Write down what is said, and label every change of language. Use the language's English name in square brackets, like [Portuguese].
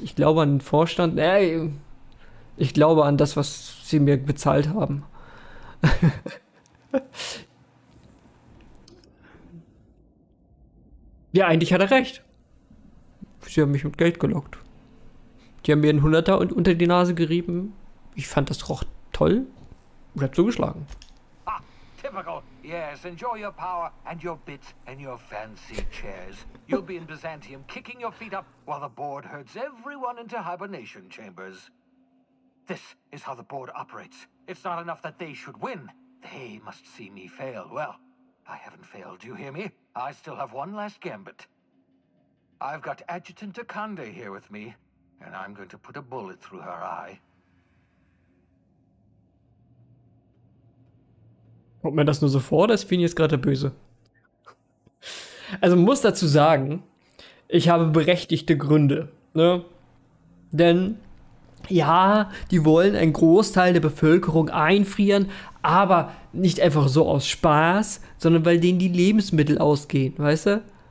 [German] Ich glaube an den Vorstand. Ich glaube an das, was sie mir bezahlt haben. Ja, eigentlich hat er recht. Sie haben mich mit Geld gelockt. Die haben mir einen Hunderter und unter die Nase gerieben. Ich fand das roch toll. Und hat zugeschlagen. [English] Ah, typical. Yes, enjoy your power and your bits and your fancy chairs. You'll be in Byzantium kicking your feet up while the board herds everyone into hibernation chambers. This is how the board operates. It's not enough that they should win. They must see me fail. Well, I haven't failed, you hear me? I still have one last gambit. I've got Adjutant Akande here with me, and I'm going to put a bullet through her eye. [German] Kommt mir das nur so vor, dass Phineas gerade der Böse? Also muss dazu sagen, ich habe berechtigte Gründe, ne? Denn, ja, die wollen einen Großteil der Bevölkerung einfrieren, aber nicht einfach so aus Spaß, sondern weil denen die Lebensmittel ausgehen, weißt du?